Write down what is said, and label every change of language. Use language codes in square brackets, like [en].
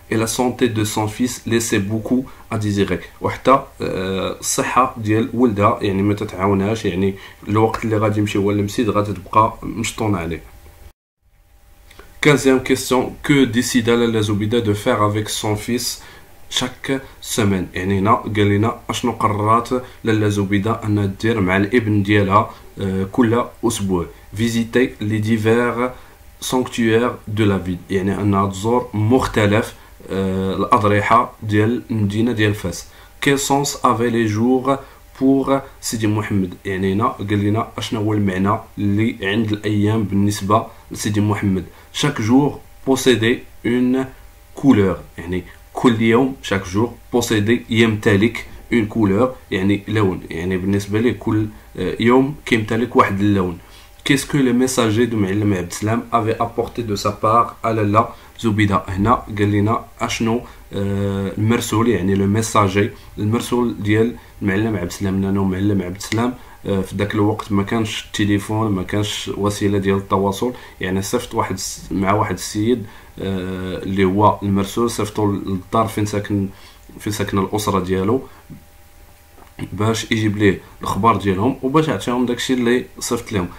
[fr] Et la santé de son fils laissait beaucoup à désirer. [ar] وحتى الصحة ديال ولدها يعني ما تتعاونهاش يعني الوقت اللي غادي يمشي هو المسيد غادي تبقى مشطونة عليه. [fr] 15e question, que décida Lala Zoubida de faire avec son fils chaque semaine? [ar] يعني هنا قال لنا اشنو قررت Lala Zoubida انها دير مع الابن ديالها كل اسبوع. [fr] Visiter les divers sanctuaires de la ville. [ar] يعني انها تزور مختلف الأضرحة ديال المدينة ديال فاس. [fr] Quel sens avaient les jours pour [ar] سيدي محمد؟ يعني هنا قال لنا اشنا هو المعنى اللي عند الأيام بالنسبة لسيدي محمد. [fr] Chaque jour possédait une couleur. [ar] يعني كل يوم [fr] chaque jour possédait [ar] يمتلك [fr] une couleur [ar] يعني لون. يعني بالنسبة لي كل يوم كيمتلك واحد اللون. [fr] Qu'est-ce que le messager de Mu'allim Ibn Salam avait apporté de sa part à Lala Zoubida? [ar] هنا قال لنا اشنو المرسول يعني لو ميساجي المرسول ديال المعلم عبد السلام. لانه المعلم عبد السلام في ذاك الوقت ما كانش التليفون ما كانش وسيله ديال التواصل. يعني صيفط واحد مع واحد السيد اللي هو المرسول صيفطو للدار فين ساكن في ساكن الاسره ديالو باش يجيب ليه الاخبار ديالهم وباش يعطيهم داكشي اللي صيفط لهم.